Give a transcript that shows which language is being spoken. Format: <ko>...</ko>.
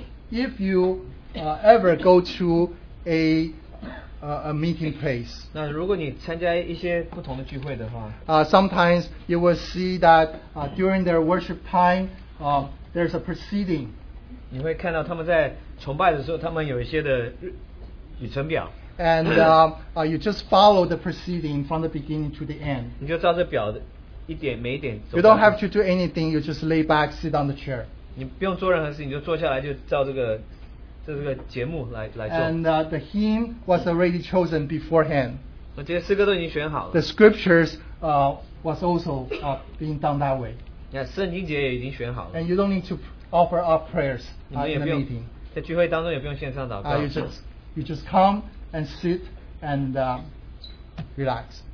<en>If you ever go to a meeting place,</en> <zh>那如果你参加一些不同的聚会的话,</zh> <en>sometimes you will see that during their worship time, there's a proceeding.</en> <zh>你会看到他们在崇拜的时候，他们有一些的旅程表。</zh> <en>And you just follow the proceeding from the beginning to the end.</en> <zh>你就照着表的一点每一点。</zh> <en>You don't have to do anything. You just lay back, sit on the chair.</en> <zh>你不用做任何事，你就坐下来，就照这个</zh> <en>And the hymn was already chosen beforehand. The scriptures was also being done that way. And you don't need to offer up prayers in the meeting. You just come and sit and relax.</en>